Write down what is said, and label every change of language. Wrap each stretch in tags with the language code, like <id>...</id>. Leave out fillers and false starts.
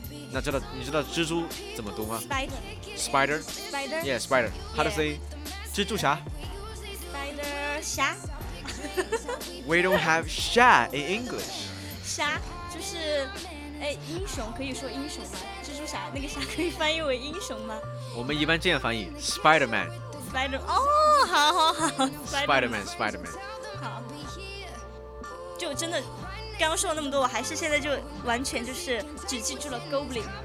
<zh>那知道你知道蜘蛛怎么读吗？</zh> <en>Spider How to say 蜘蛛侠？ Spider 侠。 We don't have 侠 in English。</en> <zh>侠就是英雄，可以说英雄吗？蜘蛛侠那个侠可以翻译为英雄吗？我们一般这样翻译 Spider-Man。 Spider-Man 好，就真的刚刚说了那么多，我还是现在就完全就是只记住了 Goblin。</zh>